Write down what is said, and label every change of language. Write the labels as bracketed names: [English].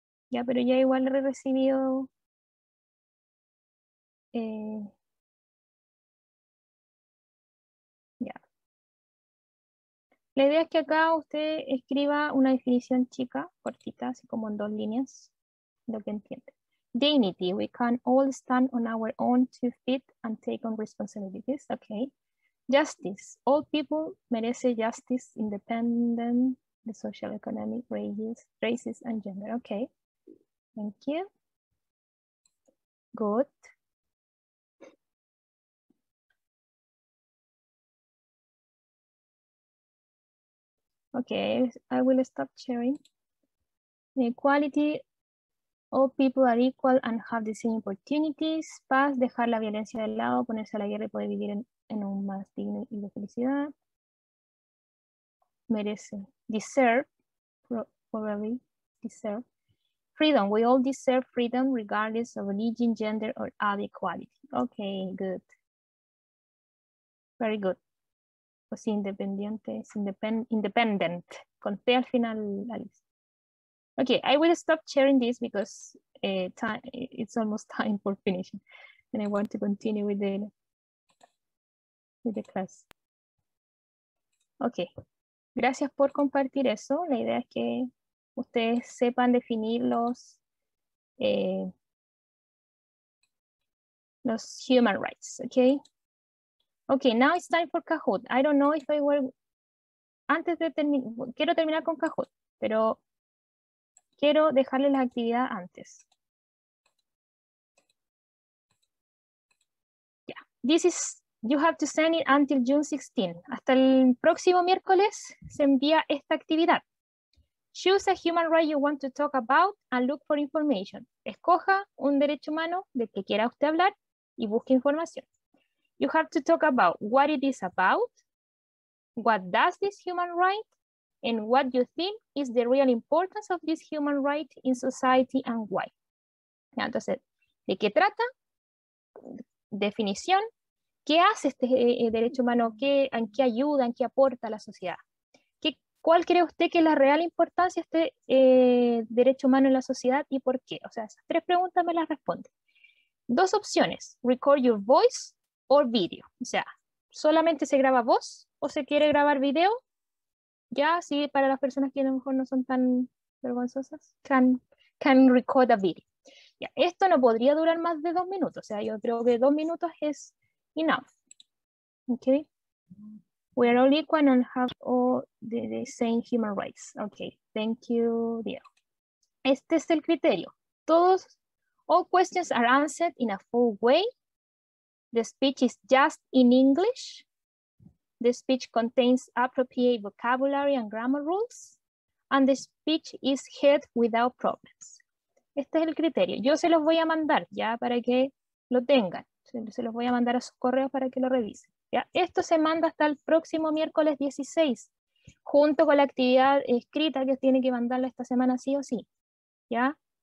[Spanish] Ya, pero ya igual he recibido ya. La idea es que acá usted escriba una definición chica, cortita, así como en 2 líneas, lo que entiende. [English] Dignity, we can all stand on our own 2 feet and take on responsibilities, ok. Justice, all people [Spanish] merece [English] justice independent, the social, economic, races and gender, ok. Thank you. Good. Okay, I will stop sharing. The equality, all people are equal and have the same opportunities. [Spanish] Paz, dejar la violencia de lado, ponerse a la guerra y poder vivir en un más digno y de felicidad. Merece, [English] deserve, probably deserve. Freedom, we all deserve freedom regardless of religion, gender, or other equality. Okay, good. Very good. [Spanish] O sea, independiente, [English] independent. [Spanish] Conté al final la lista. [English] Okay, I will stop sharing this because it's almost time for finishing. And I want to continue with the class. [Spanish] Okay. Gracias por compartir eso. La idea es que ustedes sepan definir los [English] human rights, [Spanish] okay? [English] Okay, now it's time for Kahoot. I don't know if I were... [Spanish] Antes de terminar, quiero terminar con Kahoot, pero quiero dejarle la actividad antes. [English] Yeah, this is, you have to send it until June 16. [Spanish] Hasta el próximo miércoles se envía esta actividad. [English] Choose a human right you want to talk about and look for information. [Spanish] Escoja un derecho humano del que quiera usted hablar y busque información. [English] You have to talk about what it is about, what does this human right, and what you think is the real importance of this human right in society and why. [Spanish] Entonces, ¿de qué trata? Definición. ¿Qué hace este derecho humano? ¿En qué ayuda? ¿En qué aporta a la sociedad? ¿Cuál cree usted que es la real importancia de este derecho humano en la sociedad y por qué? O sea, esas tres preguntas me las responde. Dos opciones, [English] record your voice [Spanish] o video. O sea, solamente se graba voz o se quiere grabar video. Ya, sí, para las personas que a lo mejor no son tan vergonzosas, [English] can record a video. [Spanish] Ya, esto no podría durar más de 2 minutos. O sea, yo creo que 2 minutos es [English] enough. Ok. We are all equal and have all the same human rights. Okay, thank you, [Spanish] Diego. Este es el criterio. Todos, [English] all questions are answered in a full way. The speech is just in English. The speech contains appropriate vocabulary and grammar rules. And the speech is heard without problems. [Spanish] Este es el criterio. Yo se los voy a mandar ya para que lo tengan. Se los voy a mandar a sus correos para que lo revisen. Ya, esto se manda hasta el próximo miércoles 16, junto con la actividad escrita que tiene que mandarla esta semana sí o sí. ¿Ya?